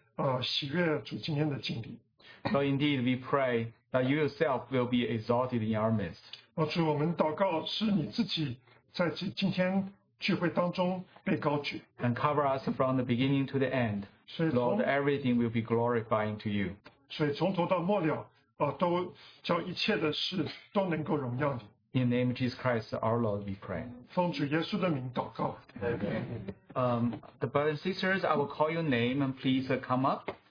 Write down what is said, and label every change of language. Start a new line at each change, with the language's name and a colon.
Chinese: 主，我们不只是天父喜乐喜悦这事，更是天使还有弟兄姐妹我们一同的喜悦主今天的经历。
English: So indeed, we pray that you yourself will be exalted in our midst.
Chinese: 主，我们祷告是你自己在今天聚会当中被高举。
English: And cover us from the beginning to the end. Lord, everything will be glorifying to you.
Chinese: 所以从头到末了, 都叫一切的事都能够荣耀你。
English: In the name of Jesus Christ, our Lord, we pray.
Chinese: 奉主耶稣的名祷告。
English: The brothers and sisters, I will call your name and please come up.